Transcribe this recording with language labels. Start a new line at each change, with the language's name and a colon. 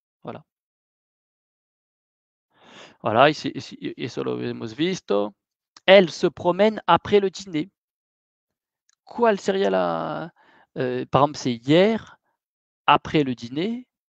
French: Voilà.
Spanish: Voilà, eso lo hemos visto.
French: Elle se promène après le dîner. Quoi sería la... par exemple, c'est hier, après le dîner.